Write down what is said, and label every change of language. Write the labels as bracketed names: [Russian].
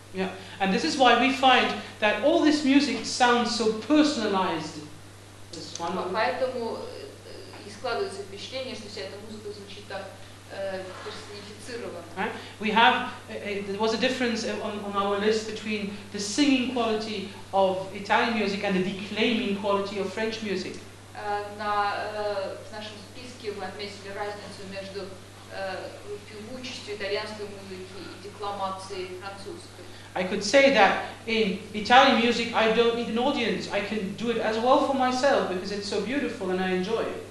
[English] Yeah, and this is why we find that all this music sounds so personalized. This one. [Russian] Поэтому и складывается впечатление, что вся эта музыка звучит так персонифицированно. [English] We have there was a difference on our list between the singing quality of Italian music and the declaiming quality of French music. [Russian] В нашем списке мы отметили разницу между певучестью итальянской музыки и декламацией французской. [English] I could say that in Italian music I don't need an audience. I can do it as well for myself because it's so beautiful and I enjoy it.